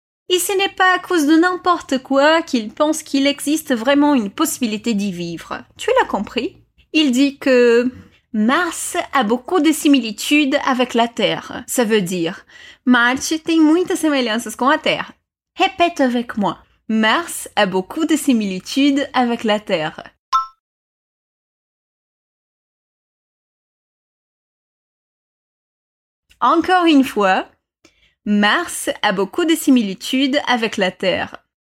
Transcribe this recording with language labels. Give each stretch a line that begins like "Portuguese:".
French: Et ce n'est pas à cause de n'importe quoi qu'il pense qu'il existe vraiment une possibilité d'y vivre. Tu l'as compris? Il dit que Mars a beaucoup de similitudes avec la Terre. Ça veut dire
Portuguese: Mars tem muitas semelhanças com a Terra.
French: Répète avec moi. Mars a beaucoup de similitudes avec la Terre. Encore une fois. Mars a beaucoup de similitudes avec la Terre.